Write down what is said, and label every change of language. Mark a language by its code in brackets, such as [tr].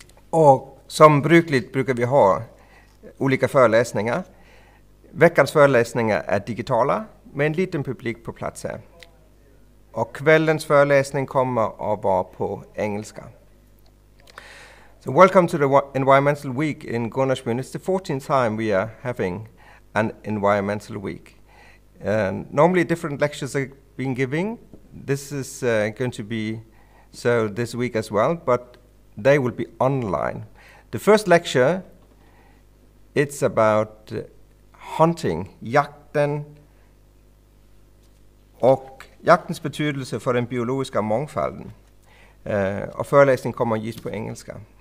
[sv] Och som brukligt brukar vi ha olika föreläsningar. Veckans föreläsningar är digitala med en liten publik på plats här. Och kvällens föreläsning kommer att vara på engelska. [en] So welcome to the Environmental Week in Gunnarsbyn. It's the 14th time we are having an Environmental Week. Normally different lectures are being given. This is going to be so this week as well, but they will be online. The first lecture, it's about hunting, [sv] jakten och jaktens betydelse för den biologiska mångfalden. Och föreläsningen kommer att ges på engelska.